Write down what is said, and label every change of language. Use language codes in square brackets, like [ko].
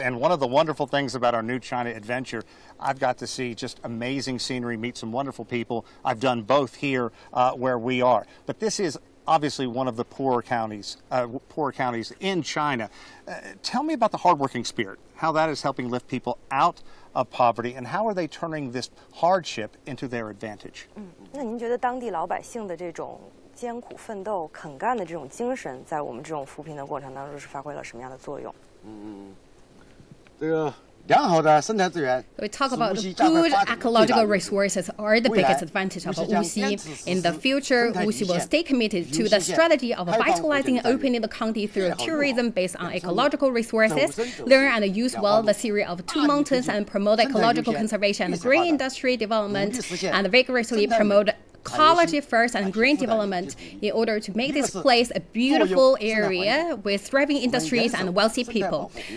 [en] And one of the wonderful things about our new China adventure, I've got to see just amazing scenery, meet some wonderful people. I've done both here where we are. But this is obviously one of the poorer counties in China. Tell me about the hardworking spirit, how that is helping lift people out of poverty, and how are they turning this hardship into their advantage? [zh] 那您觉得当地老百姓的这种艰苦奋斗、肯干的这种精神，在我们这种扶贫的过程当中是发挥了什么样的作用？这个良好的生态资源。 [en] We talk about good ecological resources are the biggest advantage of Wuxi. In the future, Wuxi will stay committed to the strategy of vitalizing and opening the county through tourism based on ecological resources, learn and use well the series of two mountains, and promote ecological conservation and green industry development, and vigorously promote ecology first and green development in order to make this place a beautiful area with thriving industries and wealthy people.